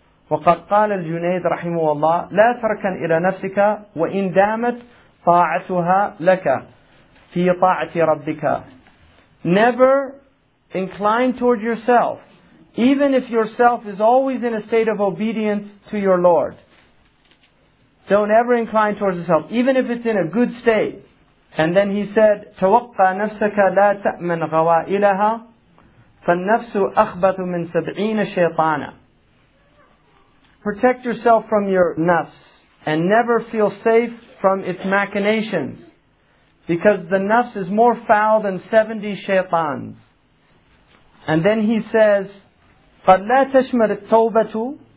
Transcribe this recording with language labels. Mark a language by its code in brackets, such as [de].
[ar] وَقَدْ قَالَ الْجُنَيْدِ رَحِمُهُ اللَّهِ لَا تَرْكَنْ إِلَى نَفْسِكَ وَإِنْ دَامَتْ طَاعَتُهَا لَكَ فِي طَاعَةِ رَبِّكَ. [en] Never incline toward yourself, even if yourself is always in a state of obedience to your Lord. Don't ever incline towards yourself, even if it's in a good state. And then he said, [ar] تَوَقَّى نَفْسَكَ لَا تَأْمَنْ غَوَائِلَهَا فَالنَّفْسُ أَخْبَثُ مِنْ سَبْعِينَ شَيْطَانًا. [en] Protect yourself from your nafs and never feel safe from its machinations, because the nafs is more foul than 70 shaitans. And then he says, [ar] قَدْ لَا تَشْمَرِ التَّوْبَةُ.